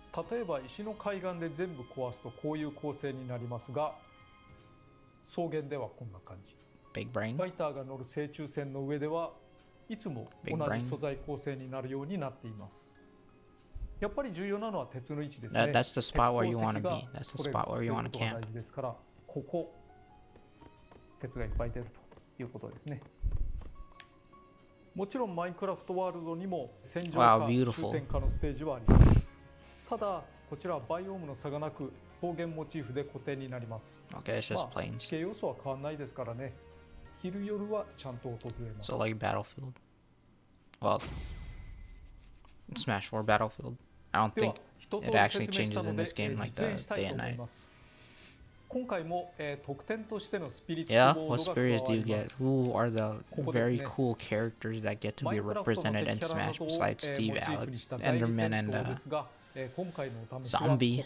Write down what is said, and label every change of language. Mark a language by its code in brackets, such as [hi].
[ja] 例えば石の海岸で全部壊すとこういう構成になりますが、草原ではこんな感じ。 [en] Big brain. [ja] ファイターが乗る正中線の上ではいつも同じ素材構成になるようになっています。やっぱり重要なのは鉄の位置ですね。 [en] That's the spot where you want to be. That's the spot where you want to camp. [ja] 大事ですから、ここ鉄がいっぱい出るということですね。もちろんマインクラフトワールドにも戦場か終点かのステージはあります。ただこちらはバイオームの差がなく方言モチーフで固定になります。 [en] Okay, it's just plains. [ja] 地形要素は変わらないですからね。昼夜はちゃんと訪れます。 [en] So like battlefield. Well, Smash 4 battlefield. I don't think it actually changes in this game like the day and night. [ja] 今回も、特典としてのスピリットボードが加わります。 [en] Yeah, what spirits do you get? Who are the very cool characters that get to be represented in Smash besides Steve, Alex, Enderman, and Zombie?